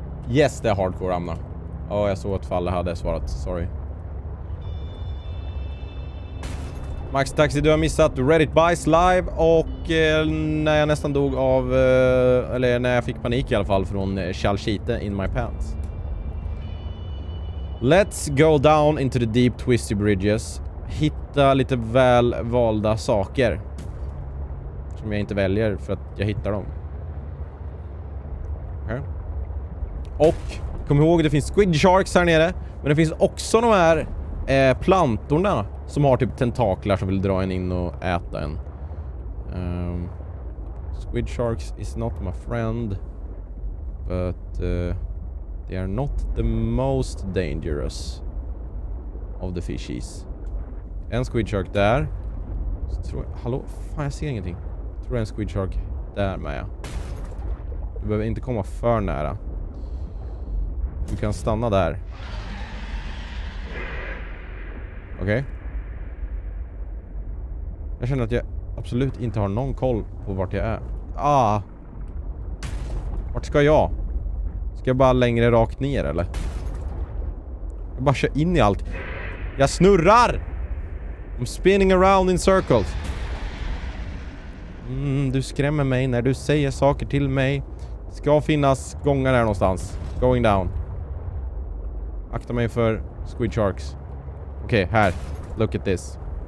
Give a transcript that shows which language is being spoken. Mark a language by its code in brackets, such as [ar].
[sv] Yes, det är hardcore, Amna. Åh, jag såg att Falle hade svarat. Sorry. Max Taxi, du har missat Reddit Buys live. Och när jag nästan dog av... eller när jag fick panik i alla fall från Chalchite [en] in my pants. Let's go down into the deep twisty bridges. [sv] Hitta lite välvalda saker. Som jag inte väljer för att jag hittar dem. Okej. Okay. Och kom ihåg, det finns squid sharks här nere. Men det finns också de här plantorna som har typ tentaklar som vill dra en in och äta en. [en] Squid sharks is not my friend, but they are not the most dangerous of the fishies. [sv] En squid shark där. Så tror jag, hallå, fan, jag ser ingenting. Tror en squid shark där med. Du behöver inte komma för nära. Du kan stanna där. Okej. Okay. Jag känner att jag absolut inte har någon koll på vart jag är. Ah. Vart ska jag? Ska jag bara längre rakt ner eller? Jag bara kör in i allt. Jag snurrar! [en] I'm spinning around in circles. [sv] Mm, du skrämmer mig när du säger saker till mig. Det ska finnas gångar här någonstans. [en] Going down. [sv] Akta mig för squid sharks. [en] Okej, okay, här. Look at this.